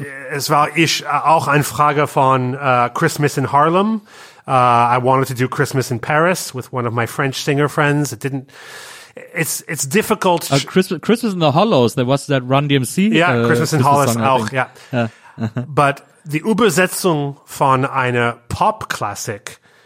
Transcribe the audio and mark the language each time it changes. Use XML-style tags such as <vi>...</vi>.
<de>Es war ich auch eine Frage von Christmas in Harlem.</de> <en>I wanted to do Christmas in Paris with one of my French singer friends. It didn't. It's difficult. Christmas in the Hollows. There was that Run DMC. Yeah, Christmas in Hollows. Auch yeah. But the</en> <de>Übersetzung von einer</de> <en>Pop Classic.</en>